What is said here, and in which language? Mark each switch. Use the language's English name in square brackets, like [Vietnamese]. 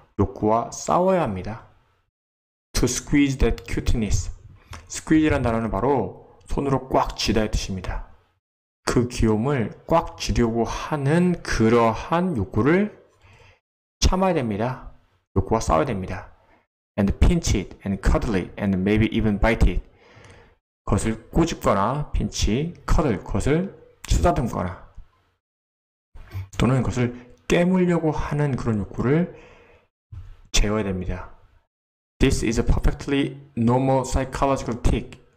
[Korean] 욕구와 싸워야 합니다. [English] To squeeze that cuteness. [Korean] Squeeze란 단어는 바로 손으로 꽉 쥐다의 뜻입니다. 그 귀여움을 꽉 쥐려고 하는 그러한 욕구를 참아야 됩니다. 욕구와 싸워야 됩니다. [English] And pinch it, and cuddle it, and maybe even bite it. [Korean] 그것을 꼬집거나, 핀치, 커들, 그것을 쓰다듬거나, 또는 그것을 깨물려고 하는 그런 욕구를 제어해야 됩니다. [English] This is a perfectly normal psychological tick.